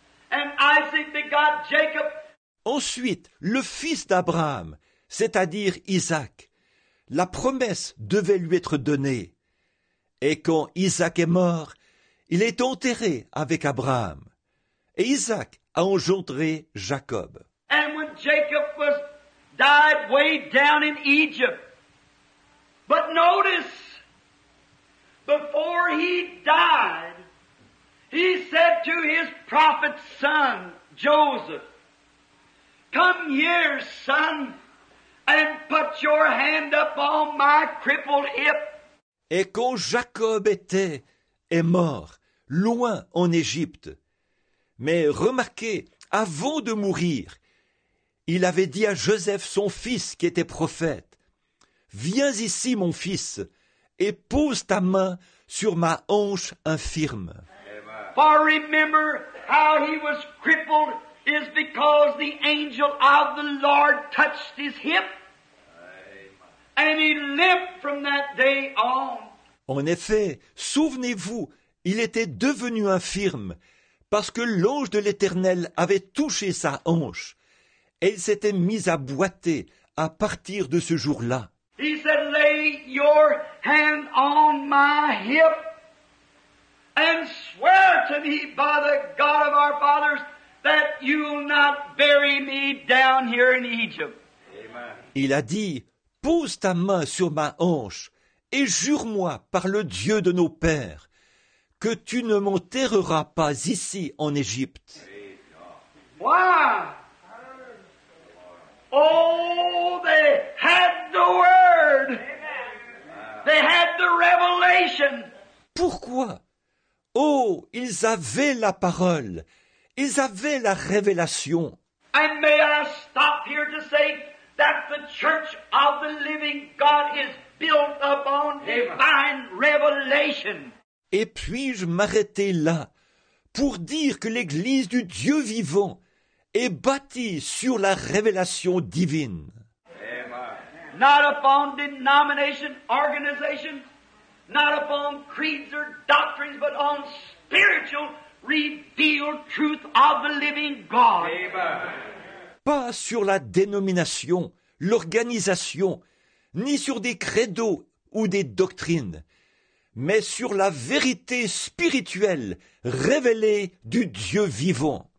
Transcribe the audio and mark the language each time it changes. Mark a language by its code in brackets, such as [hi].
[en] And Isaac begot Jacob. [fr] Ensuite, le fils d'Abraham, c'est-à-dire Isaac, la promesse devait lui être donnée. Et quand Isaac est mort, il est enterré avec Abraham. Et Isaac a engendré Jacob. [en] And when Jacob was died way down in Egypt, but notice, before he died, he said to his prophet's son, Joseph, come here, son, and put your hand up on my crippled hip. [fr] Et quand Jacob est mort, loin en Égypte. Mais remarquez, avant de mourir, il avait dit à Joseph, son fils, qui était prophète, « Viens ici, mon fils, et pose ta main sur ma hanche infirme. » [en] For remember how he was crippled is because the angel of the Lord touched his hip. Amen. And he lived from that day on. [fr] En effet, souvenez-vous, il était devenu infirme parce que l'ange de l'Éternel avait touché sa hanche et il s'était mis à boiter à partir de ce jour-là. [en] He said, lay your hand on my hip and swear to me by the God of our fathers that you will not bury me down here in Egypt. Amen. [fr] Il a dit, pose ta main sur ma hanche et jure-moi par le Dieu de nos pères que tu ne m'enterreras pas ici en Égypte. [en] Why? Oh, they had the word. They had the revelation. [fr] Pourquoi? Oh, ils avaient la parole. Ils avaient la révélation. [en] And may I stop here to say that the church of the living God is built upon divine revelation. [fr] Et puis-je m'arrêter là pour dire que l'Église du Dieu vivant est bâti sur la révélation divine. [en] Amen. Not upon denomination, organization, not upon creeds or doctrines, but on spiritual revealed truth of the living God. Amen. [fr] Pas sur la dénomination, l'organisation, ni sur des credos ou des doctrines, mais sur la vérité spirituelle révélée du Dieu vivant.